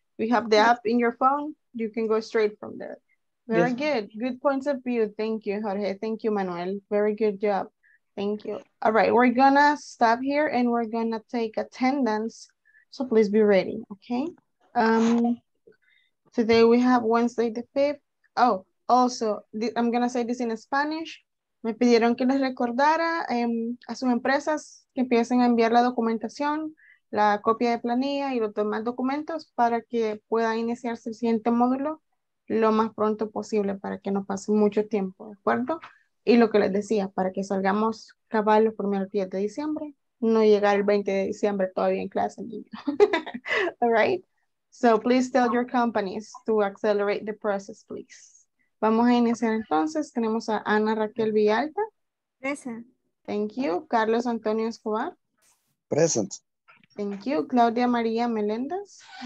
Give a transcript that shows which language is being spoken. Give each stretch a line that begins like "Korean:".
English: We have the app in your phone. You can go straight from there. Very good. Good points of view. Thank you, Jorge. Thank you, Manuel. Very good job. Thank you. All right, we're gonna stop here and we're gonna take attendance. So please be ready, okay? Today we have Wednesday the 5th. Oh, also, I'm gonna say this in Spanish.
Spanish: Me pidieron que les recordara a sus empresas que empiecen a enviar la documentación, la copia de planilla y los demás documentos para que pueda iniciarse el siguiente módulo lo más pronto posible para que no pase mucho tiempo, ¿de acuerdo? Y lo que les decía, para que salgamos cabal los primeros 10 de diciembre, no llegar el 20 de diciembre todavía en clase.
English: All right? So please tell your companies to accelerate the process, please.
Spanish: Vamos a iniciar entonces. Tenemos a Ana Raquel Villalta.
English: Present. Thank you. Carlos Antonio Escobar. Present. Thank you. Claudia María Meléndez.